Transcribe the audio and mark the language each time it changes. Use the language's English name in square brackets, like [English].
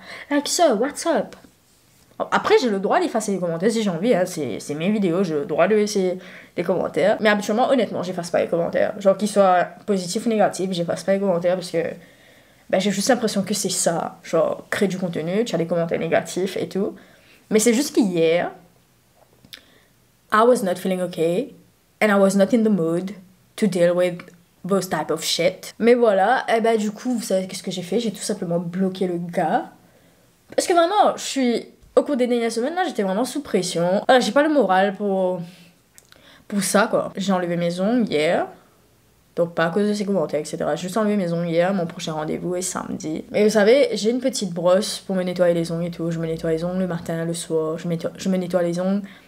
[English] Like, sir, what's up? [French] Après, j'ai le droit d'effacer les commentaires si j'ai envie. Hein. C'est mes vidéos, j'ai le droit de laisser des commentaires. Mais habituellement, honnêtement, j'efface pas les commentaires. Genre, qu'ils soient positifs ou négatifs, j'efface pas les commentaires parce que ben, j'ai juste l'impression que c'est ça. Genre, créer du contenu, tu as des commentaires négatifs et tout. Mais c'est juste qu'hier, [English] I was not feeling okay. And I was not in the mood to deal with those type of shit. [French] Mais voilà, et ben du coup, vous savez ce que j'ai fait? J'ai tout simplement bloqué le gars. Parce que vraiment, je suis... Au cours des dernières semaines, là, j'étais vraiment sous pression. Alors, j'ai pas le moral pour ça, quoi. J'ai enlevé mes ongles hier. Donc pas à cause de ces commentaires, etc. J'ai juste enlevé mes ongles hier, mon prochain rendez-vous est samedi. Mais vous savez, j'ai une petite brosse pour me nettoyer les ongles et tout. Je me nettoie les ongles le matin, le soir. Je me nettoie les ongles